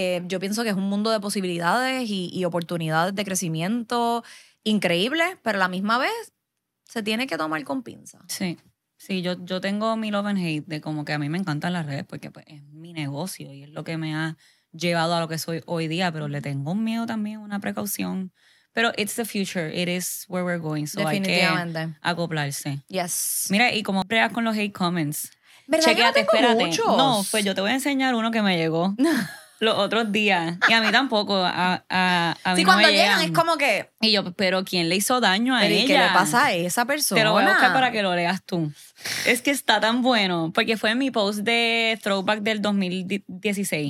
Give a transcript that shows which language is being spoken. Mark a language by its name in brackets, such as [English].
[Spanish] Yo pienso que es un mundo de posibilidades y oportunidades de crecimiento increíbles, pero a la misma vez se tiene que tomar con pinza. Sí. Sí, yo tengo mi [English] love and hate [Spanish] de como que a mí me encantan las redes porque pues es mi negocio y es lo que me ha llevado a lo que soy hoy día, pero le tengo un miedo también, una precaución. Pero [English] it's the future, it is where we're going, so [Spanish] definitivamente. Hay que acoplarse. [English] Yes. [Spanish] Mira, y como bregas con los hate comments. ¿Verdad? Chequeate, yo tengo espérate. Muchos. No, pues yo te voy a enseñar uno que me llegó los otros días y a mí tampoco. A mí sí, cuando no me llegan es como que... Y yo, pero ¿quién le hizo daño a ella? ¿Qué le pasa a esa persona? Te lo voy a buscar para que lo leas tú. Es que está tan bueno, porque fue en mi post de throwback del 2016.